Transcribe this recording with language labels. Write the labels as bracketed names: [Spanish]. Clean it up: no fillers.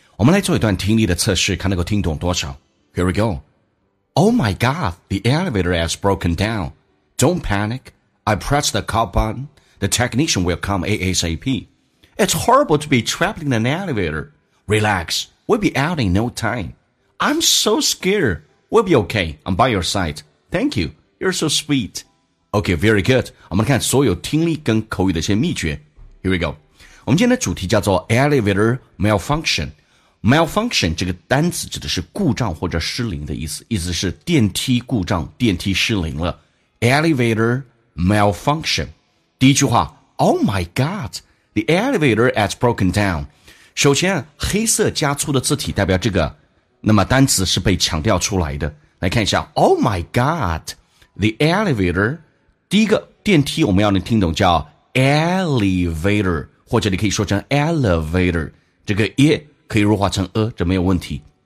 [Chinese] 我们来做一段听力的测试，看能够听懂多少。 [English] Here we go. Oh my God, the elevator has broken down. Don't panic. I press the call button. The technician will come ASAP. It's horrible to be trapped in an elevator. Relax, we'll be out in no time. I'm so scared. We'll be okay. I'm by your side. Thank you. You're so sweet. Okay, very good. [Chinese] 我们看所有听力跟口语的一些秘诀。 [English] Here we go. [Chinese] 我们今天的主题叫做 Elevator Malfunction. Malfunction 这个单词指的是故障或者失灵的意思，意思是电梯故障，电梯失灵了。 [English] Elevator Malfunction. [Chinese] 第一句话 [English] Oh my God, the elevator has broken down. [Chinese] 首先黑色加粗的字体代表这个，那么单词是被强调出来的。来看一下 [English] Oh my God, the elevator. [Chinese] 第一个电梯我们要能听懂叫Elevator， 或者你可以说成 elevator， 这个 e 可以弱化成 a， 这没有问题。